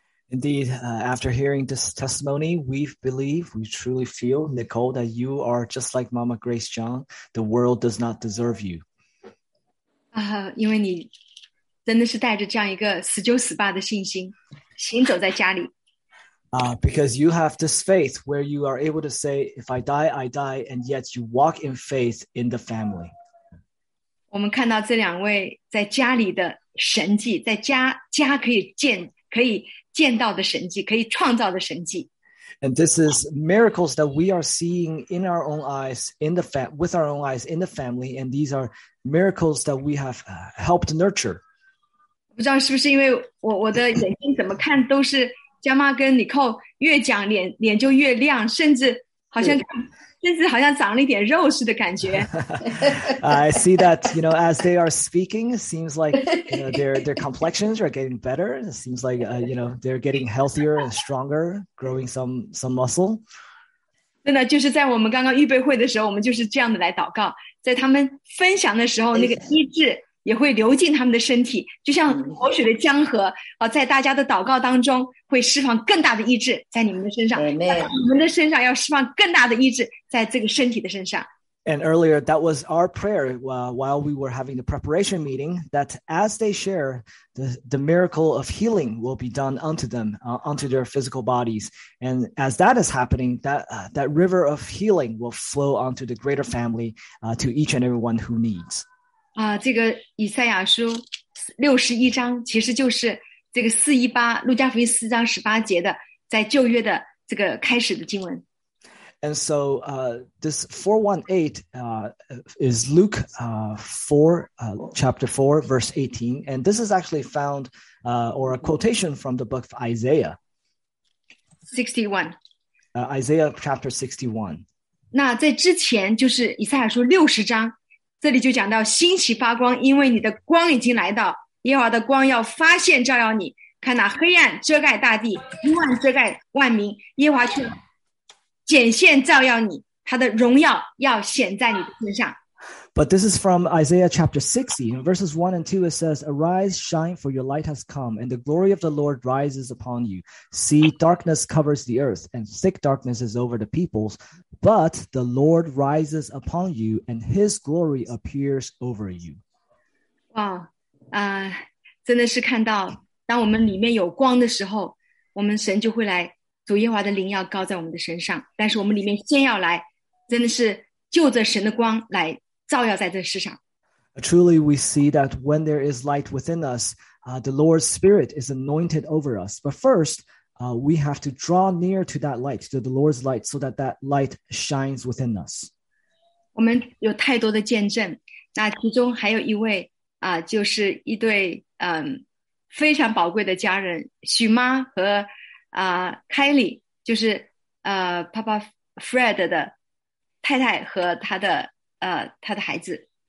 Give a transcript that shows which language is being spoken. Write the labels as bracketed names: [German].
[English] Indeed, after hearing this testimony, we truly feel, Nicole, that you are just like Mama Grace John. The world does not deserve you. [Chinese] 因为你真的是带着这样一个死就死吧的信心，行走在家里。 [English] Because you have this faith where you are able to say, if I die, I die, and yet you walk in faith in the family. [Chinese] 我们看到这两位在家里的神迹，在家可以见可以见到的神迹，可以创造的神迹。 [English] And this is miracles that we are seeing in our own eyes, with our own eyes in the family, and these are miracles that we have helped nurture. [Chinese] 不知道是不是因为我的眼睛怎么看都是佳妈跟妮蔻越讲脸就越亮，甚至好像长了一点肉似的感觉。 [English] I see that, you know, as they are speaking, it seems like you know, their complexions are getting better. It seems like, you know, they're getting healthier and stronger, growing some muscle. [Chinese] 真的就是在我们刚刚预备会的时候，我们就是这样的来祷告，在他们分享的时候，那个医治也会流进他们的身体，就像活水的江河在大家的祷告当中会释放更大的医治在你们的身上， [English] Amen. [Chinese] 在你们的身上要释放更大的医治在这个身体的身上。 [English] And earlier, that was our prayer while we were having the preparation meeting, that as they share, the miracle of healing will be done unto them, unto their physical bodies. And as that is happening, that river of healing will flow onto the greater family, to each and everyone who needs. [Chinese] 这个以赛亚书61章其实就是这个418，路加福音4章18节的在旧约的这个开始的经文。 [English] And so this 418 is Luke 4, chapter 4, verse 18. And this is actually found, or a quotation from the book of Isaiah. 61. Isaiah chapter 61. [Chinese] 那在之前就是以赛亚书60章，这里就讲到兴起发光，因为你的光已经来到，耶和华的光要发现照耀你。看那黑暗遮盖大地，幽暗遮盖万民，耶和华却显现照耀你，他的荣耀要显在你的身上。 [English] But this is from Isaiah chapter 60, in verses 1 and 2, it says, Arise, shine, for your light has come, and the glory of the Lord rises upon you. See, darkness covers the earth, and thick darkness is over the peoples, but the Lord rises upon you, and his glory appears over you. [Chinese] Wow, 真的是看到，当我们里面有光的时候，我们神就会来，主耶和华的灵要高在我们的身上，但是我们里面先要来，真的是就着神的光来照耀在这世上。 [English] Truly, we see that when there is light within us, the Lord's Spirit is anointed over us. But first, we have to draw near to that light, to the Lord's light, so that that light shines within us. [Chinese] 我们有太多的见证，那其中还有一位就是一对非常宝贵的家人，许妈和Kylie， 就是Papa Fred 的太太和他的孩子。